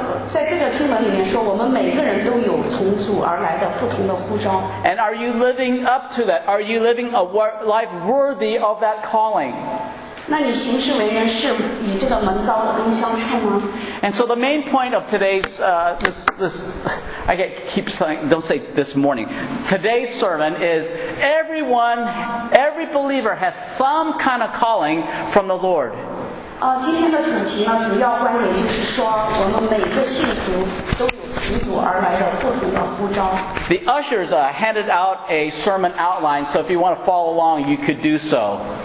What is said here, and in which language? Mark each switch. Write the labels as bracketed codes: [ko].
[zh] 在这个经文里面说，我们每个人都有从主而来的不同的呼召。 [en] And are you living up to that? Are you living a life worthy of that calling? [zh] 那你行事为人是与这个蒙召的恩相称吗？ [en] And so the main point of today's today's sermon is every believer has some kind of calling from the Lord. [zh] 今天的主题呢，主要观点就是说，我们每个信徒都有从主而来的不同的呼召。 [en] The ushers handed out a sermon outline, so if you want to follow along, you could do so.